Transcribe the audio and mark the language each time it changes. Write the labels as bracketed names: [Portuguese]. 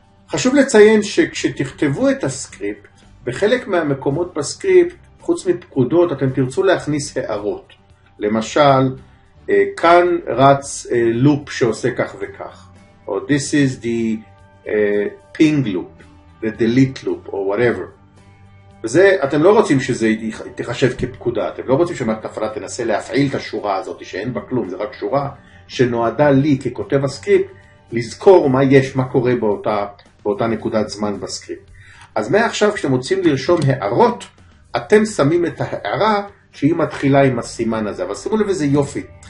[Hebrew] חשוב לציין שכשתכתבו את הסקריפט, בחלק מהמקומות בסקריפט, חוץ מפקודות, אתם תרצו להכניס הערות. למשל, כאן רץ לופ שעושה כך וכך. או [English] this is the ping loop, the delete loop, or whatever. [Hebrew] וזה, אתם לא רוצים שזה תחשב כפקודה. אתם לא רוצים שמערכת הפעלה תנסה להפעיל את השורה הזאת, שאין בה כלום, זה רק שורה שנועדה לי ככותב הסקריפט, לזכור מה יש, מה קורה באותה נקודת זמן בסקריפט. אז מעכשיו כשאתם רוצים לרשום הערות, אתם שמים את ההערה שהיא מתחילה עם הסימן הזה. אבל שימו לב איזה יופי.